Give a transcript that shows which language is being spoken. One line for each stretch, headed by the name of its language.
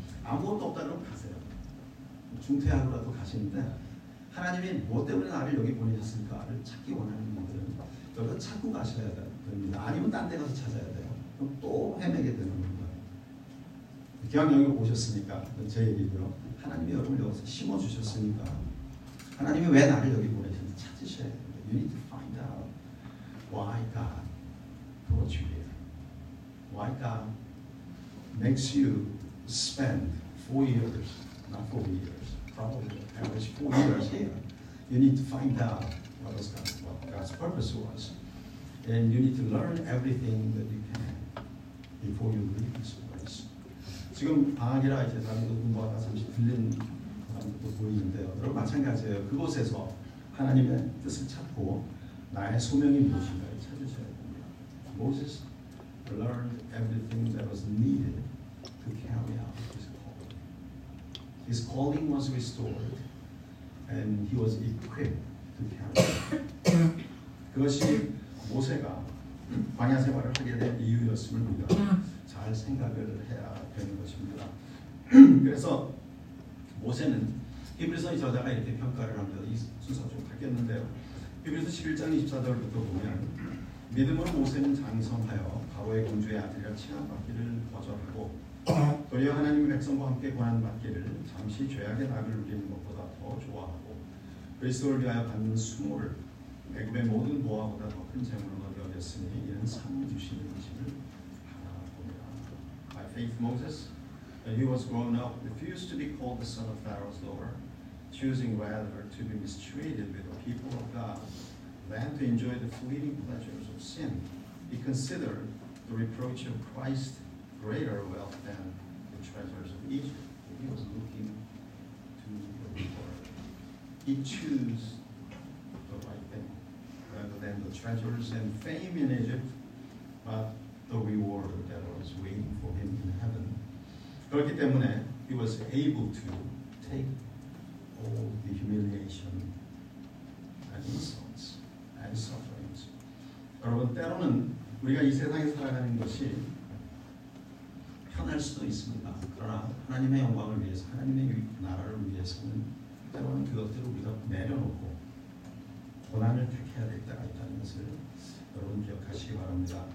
Korean: 아무것도 없다 그러면 가세요. 중퇴하고라도 가시는데 하나님이 뭐 때문에 나를 여기 보내셨을까를 찾기 원하는 분들은 여기서 찾고 가셔야 됩니다. 아니면 딴 데 가서 찾아야 돼요. 그럼 또 헤매게 되는 겁니다. 기왕 여기 오셨으니까 제 얘기고요. 하나님이 여러분을 여기서 심어주셨으니까 하나님이 왜 나를 여기 보내셨는지 찾으셔야 됩니다.
English: You need to find out why God brought you here. Why God makes you spend 4 years, not 4 years, probably average 4 years here. You need to find out what was God, what God's purpose was. And you need to learn everything that you can before you leave this place.
Korean: 지금 방학이라 이제 다른 분과 잠시 들린 것도 보이는데요. 여러분 마찬가지예요. 그곳에서 하나님의 뜻을 찾고 나의 소명이 무엇인가를 찾으셔야 됩니다.
English: Moses learned everything that was needed to carry out his calling. His calling was restored and he was equipped to carry out.
Korean: 그것이 모세가 광야 생활을 하게 된 이유였음을 우리가 잘 생각을 해야 되는 것입니다. 그래서 모세는 히브리서의 저자가 이렇게 평가를 합니다. 이 순서 좀 바뀌었는데요. 히브리서 11장 24절부터 보면 믿음으로 모세는 장성하여 바로의 군주의 아들이라 취함받기를 거절하고 도리어 하나님의 백성과 함께 고난받기를 잠시 죄악의 낙을 누리는 것보다 더 좋아하고 그리스도를 위하여 받는 수모를 애굽의 모든 보화보다 더 큰 재물로 여겼으니 이는 상 주시는 것임을 바라봅니다.
English: By faith Moses, when he was grown up, refused to be called the son of Pharaoh's daughter, choosing rather to be mistreated with the people of God than to enjoy the fleeting pleasures of sin. He considered the reproach of Christ greater wealth than the treasures of Egypt. He was looking to the reward. He chose the right thing, rather than the treasures and fame in Egypt, but the reward that was waiting for him in heaven.
Korean: 그렇기 때문에
English: he was able to take all the humiliation and insults and sufferings.
Korean: 여러분, 때로는 우리가 이 세상에 살아가는 것이 편할 수도 있습니다. 그러나 하나님의 영광을 위해서, 하나님의 나라를 위해서는 때로는 그것들을 우리가 내려놓고 고난을 택해야 될 때가 있다는 것을 여러분 기억하시기 바랍니다.